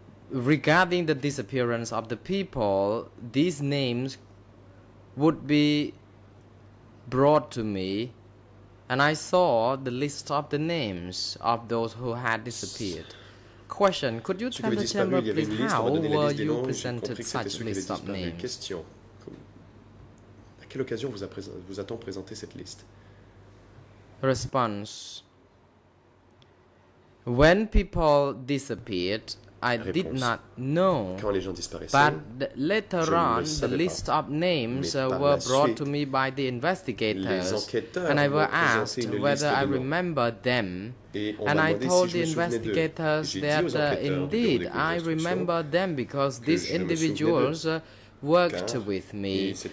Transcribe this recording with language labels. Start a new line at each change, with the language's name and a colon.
English: Regarding the disappearance of the people, these names would be brought to me, and I saw the list of the names of those who had disappeared. Question, could you tell the chamber please how were you presented such list of names?
French: Question, à quelle occasion vous a-t-on présenté cette liste?
English: Response, when people disappeared, I did not know,
French: quand les gens disparaissaient,
English: but later on, the list of names were brought to me by the investigators, and I was asked whether I remember them, and I told the investigators that indeed I remember them because these individuals worked with me.